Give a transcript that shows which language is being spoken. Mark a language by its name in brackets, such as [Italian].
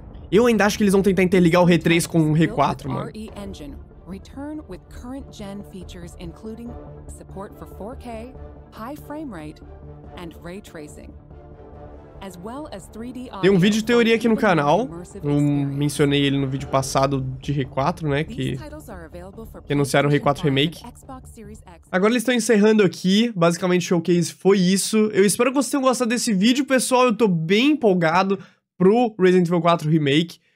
[Portuguese] Eu ainda acho que eles vão tentar interligar o RE3 com o RE4, mano. [English] RE Engine, return with current gen features including support for 4K, high frame rate and ray tracing. As well as 3D. [Portuguese] Tem um vídeo de teoria aqui no canal. Eu mencionei ele no vídeo passado de RE4, né, que anunciaram o RE4 Remake. Agora eles estão encerrando aqui. Basicamente o showcase foi isso. Eu espero que vocês tenham gostado desse vídeo, pessoal. Eu tô bem empolgado pro Resident Evil 4 Remake.